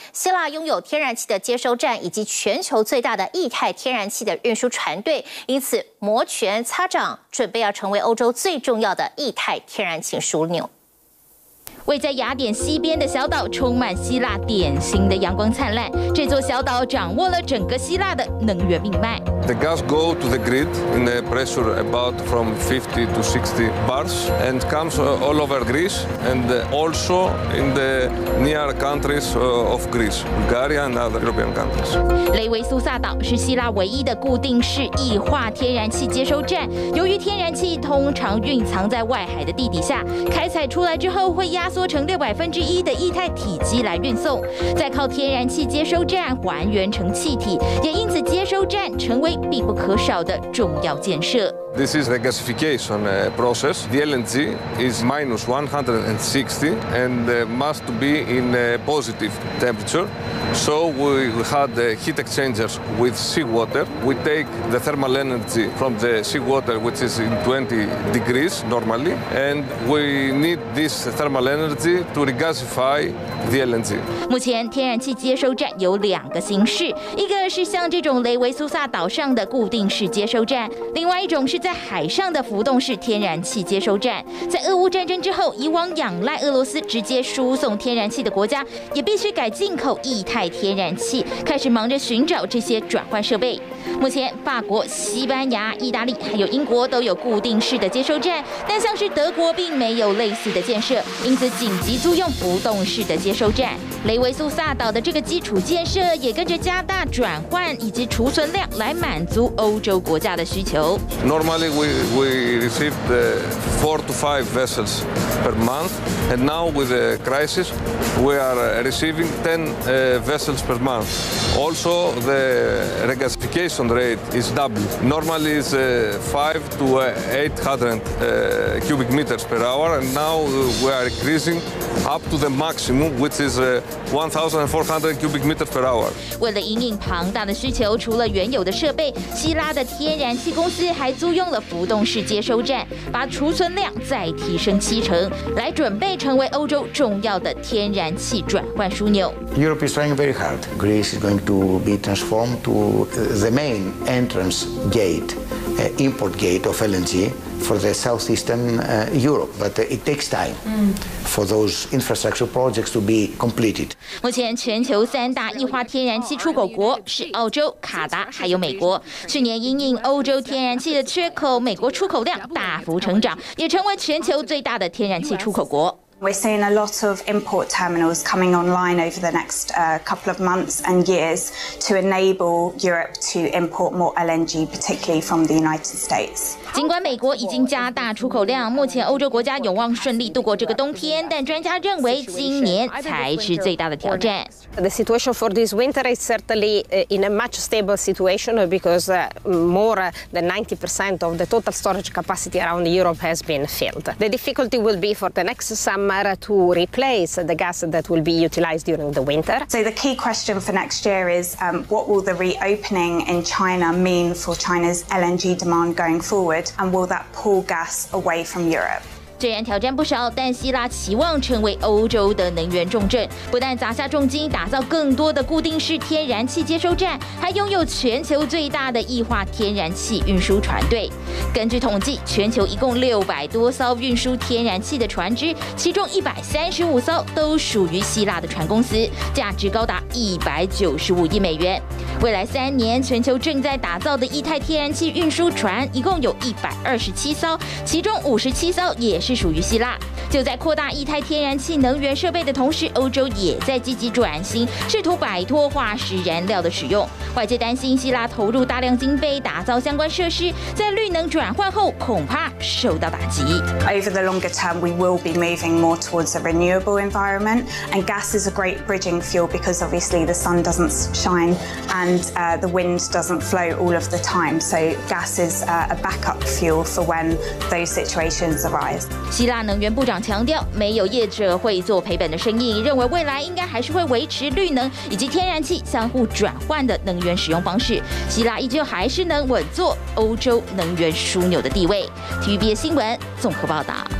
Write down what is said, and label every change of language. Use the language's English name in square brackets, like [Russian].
[Chinese] 希腊拥有天然气的接收站以及全球最大的液态天然气的运输船队，因此摩拳擦掌，准备要成为欧洲最重要的液态天然气枢纽。位在雅典西边的小岛充满希腊典型的阳光灿烂，这座小岛掌握了整个希腊的能源命脉。 [English] The gas goes to the grid in a pressure about from 50 to 60 bars and comes all over Greece and also in the near countries of Greece, Bulgaria and other European countries. [Chinese] 雷维苏萨岛是希腊唯一的固定式液化天然气接收站。由于天然气通常蕴藏在外海的地底下，开采出来之后会压缩成1%的液态体积来运送，再靠天然气接收站还原成气体，也因此接收站成为必不可少的重要建设。 [English] This is the gasification process. The LNG is minus 160 and must be in a positive temperature. So we had heat exchangers with seawater. We take the thermal energy from the seawater, which is in 20 degrees normally, and we need this thermal energy to regasify the LNG. [Chinese] 目前天然气接收站有两个形式，一个是像这种雷维苏萨岛上的固定式接收站，另外一种是在海上的浮动式天然气接收站。在俄乌战争之后，以往仰赖俄罗斯直接输送天然气的国家也必须改进口液态天然气，开始忙着寻找这些转换设备。目前法国、西班牙、意大利还有英国都有固定式的接收站，但像是德国并没有类似的建设，因此紧急租用浮动式的接收站。雷维苏萨岛的这个基础建设也跟着加大转换以及储存量，来满足欧洲国家的需求。 [English] Normally we received 4 to 5 vessels per month, and now with the crisis we are receiving 10 vessels per month. Also the regasification rate is double. Normally it's 500 to 800 cubic meters per hour, and now we are increasing up to the maximum, which is 1,400 cubic meters per hour. [Chinese] 为了因应庞大的需求，除了原有的设备，希腊的天然气公司还租用了浮动式接收站，把储存量再提升70%，来准备成为欧洲重要的天然气转换枢纽。 [English] Europe is trying very hard. Greece is going to be transformed to the main entrance gate, import gate of LNG for the southeastern Europe, but it takes time for those infrastructure projects to be completed. [Chinese] 目前全球三大液化天然气出口国是澳洲、卡达还有美国。去年因应欧洲天然气的缺口，美国出口量大幅成长，也成为全球最大的天然气出口国。 [English] We're seeing a lot of import terminals coming online over the next couple of months and years to enable Europe to import more LNG, particularly from the United States. [Chinese] 尽管美国已经加大出口量，目前欧洲国家有望顺利度过这个冬天，但专家认为今年才是最大的挑战。 [English] The situation for this winter is certainly in a much stable situation because more than 90% of the total storage capacity around Europe has been filled. The difficulty will be for the next summer. To replace the gas that will be utilized during the winter. So the key question for next year is, what will the reopening in China mean for China's LNG demand going forward, and will that pull gas away from Europe? [Chinese] 虽然挑战不少，但希腊期望成为欧洲的能源重镇，不但砸下重金打造更多的固定式天然气接收站，还拥有全球最大的液化天然气运输船队。根据统计，全球一共600多艘运输天然气的船只，其中135艘都属于希腊的船公司，价值高达195亿美元。未来3年，全球正在打造的液态天然气运输船一共有127艘，其中57艘也是属于希腊。就在扩大液态天然气能源设备的同时，欧洲也在积极转型，试图摆脱化石燃料的使用。外界担心希腊投入大量经费打造相关设施，在绿能转换后恐怕受到打击。 [English] Over the longer term, we will be moving more towards a renewable environment, and gas is a great bridging fuel because obviously the sun doesn't shine and the wind doesn't flow all of the time. So gas is a backup fuel for when those situations arise. [Chinese] 希腊能源部长强调，没有业者会做赔本的生意，认为未来应该还是会维持绿能以及天然气相互转换的能源使用方式，希腊依旧还是能稳坐欧洲能源枢纽的地位。 TVB 新闻综合报道。